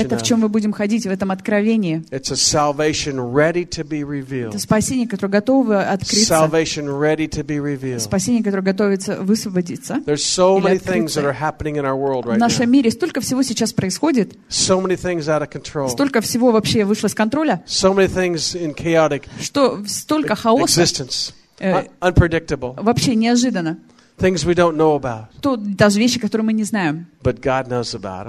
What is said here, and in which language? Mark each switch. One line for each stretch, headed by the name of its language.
Russian: Это в чем мы будем ходить в этом откровении.
English: It's a salvation ready to be revealed.
Russian: Это спасение, которое готово открыться.
English: Salvation ready to be revealed.
Russian: Спасение, которое готовится высвободиться.
English: There's so many things that are happening in our world right
Russian: now. В нашем мире столько всего сейчас происходит.
English: So many things out of control.
Russian: Столько всего вообще вышло из контроля.
English: So many things in chaos.
Russian: Что столько хаоса,
English: unpredictable.
Russian: Вообще неожиданно.
English: Things we don't know about.
Russian: Тут даже вещи, которые мы не знаем.
English: But God knows about them.